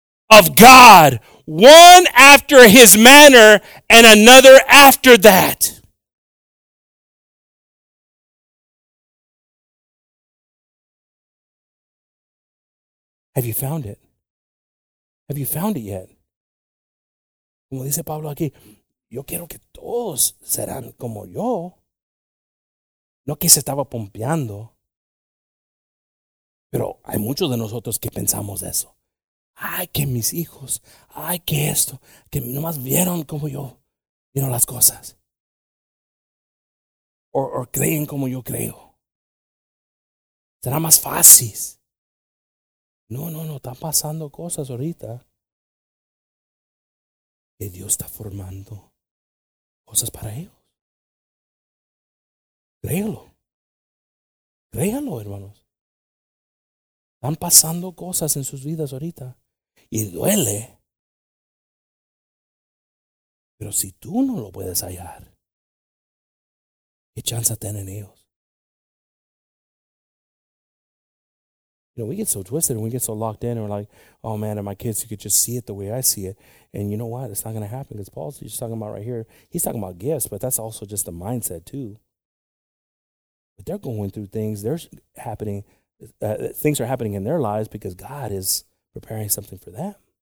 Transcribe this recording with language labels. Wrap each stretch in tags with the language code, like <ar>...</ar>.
<en>Of God. One after his manner and another after that. Have you found it? Have you found it yet?</en> <es>Como dice Pablo aquí, yo quiero que todos serán como yo. No que se estaba pompeando. Pero hay muchos de nosotros que pensamos eso. Ay, que mis hijos, ay, que esto, que nomás vieron como yo vino las cosas. O creen como yo creo. Será más fácil. No, están pasando cosas ahorita que Dios está formando cosas para ellos. Créanlo, hermanos. Están pasando cosas en sus vidas ahorita y duele. Pero si tú no lo puedes hallar, ¿qué chance tienen ellos?</es> <en>You know, we get so twisted and we get so locked in and we're like, oh man, and my kids, you could just see it the way I see it. And you know what? It's not going to happen because Paul's just talking about right here. He's talking about gifts, but that's also just the mindset too. But they're going through things. They're happening. Things are happening in their lives because God is preparing something for them.</en>